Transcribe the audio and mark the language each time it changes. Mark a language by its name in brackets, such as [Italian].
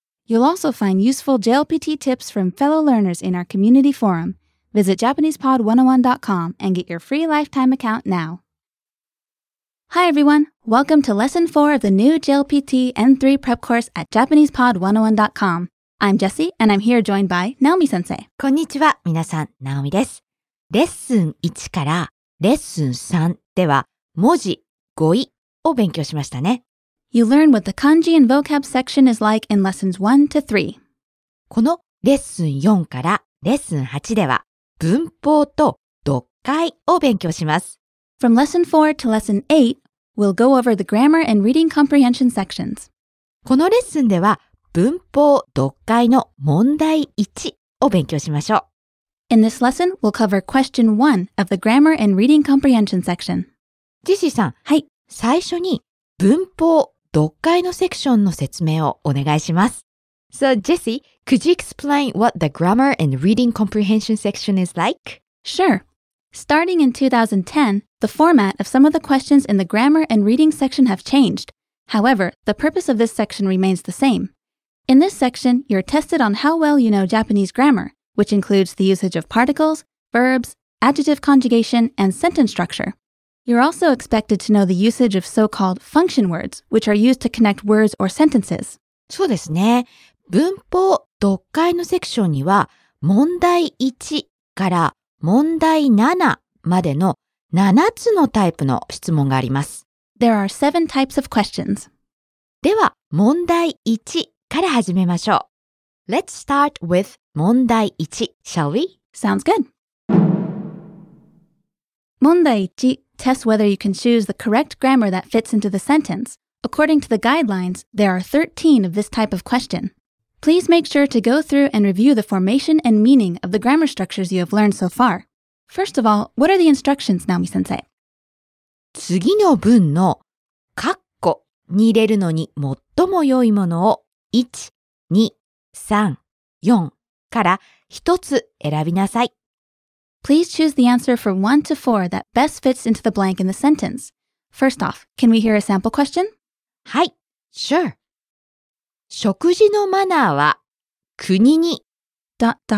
[English] You'll also find useful JLPT tips from fellow learners in our community forum. Visit JapanesePod101.com and get your free lifetime account now. Hi everyone, welcome to Lesson 4 of the new JLPT N3 Prep Course at JapanesePod101.com. I'm Jessie, and I'm here joined by Naomi 先生。 [Japanese] こんにちは、皆さん、ナオミです。レッスン1からレッスン3では、文字、語彙を勉強しましたね。 [English] You learn what the kanji and vocab section is like in lessons 1 to 3. [Japanese] このレッスン4からレッスン8では、文法と読解を勉強します。 [English] From lesson 4 to lesson 8, we'll go over the grammar and reading comprehension sections. [Japanese] このレッスンでは、文法読解の問題1を勉強しましょう。 [English] In this lesson, we'll cover question 1 of the grammar and reading comprehension section. [Japanese] ジシーさん、はい。最初に文法読解のセクションの説明をお願いします。 [English] So, Jessie, could you explain what the grammar and reading comprehension section is like? Sure. Starting in 2010, the format of some of the questions in the grammar and reading section have changed. However, the purpose of this section remains the same. In this section, you're tested on how well you know Japanese grammar, which includes the usage of particles, verbs, adjective conjugation, and sentence structure. You're also expected to know the usage of so-called function words, which are used to connect words or sentences. [Japanese] そうですね。文法読解のセクションには、問題1から問題7までの7つのタイプの質問があります。 [English] There are 7 types of questions. [Japanese] では、問題1。から始めましょう。 [English] Let's start with 問題1, shall we? Sounds good. 問題1 tests whether you can choose the correct grammar that fits into the sentence. According to the guidelines, there are 13 of this type of question. Please make sure to go through and review the formation and meaning of the grammar structures you have learned so far. First of all, what are the instructions, Naomi 先生? [Japanese] 次の文の括弧に入れるのに最も良いものを1、2、3、4から1つ選びなさい。 [English] Please choose the answer from 1 to 4 that best fits into the blank in the sentence. First off, can we hear a sample question? [Japanese] はい、 [English] sure. [Japanese] 食事のマナーは国に違う。